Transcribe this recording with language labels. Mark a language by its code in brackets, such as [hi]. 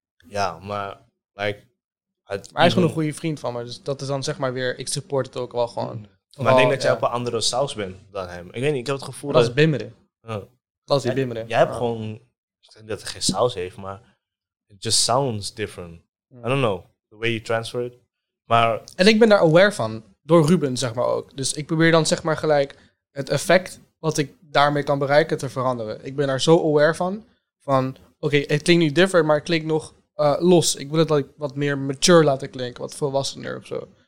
[nl] Ja, maar like, het, maar hij is gewoon een goede vriend van me. Dus dat is dan zeg maar weer, ik support het ook wel gewoon. Maar vooral, ik denk dat jij op een andere saus bent dan hem. Ik weet niet, ik heb het gevoel dat... Dat is bimmeren. Dat is die bimmeren. Jij hebt gewoon, ik denk dat hij geen saus heeft, maar... [en] It just sounds different. Mm. I don't know, the way you transfer it. [nl] Maar, en ik ben daar aware van, door Ruben zeg maar ook. Dus ik probeer dan zeg maar gelijk het effect wat ik daarmee kan bereiken te veranderen. Ik ben daar zo aware van, oké, het klinkt nu different, maar het klinkt nog... los. Ik wil het like, wat meer mature laten klinken, wat volwassener of zo.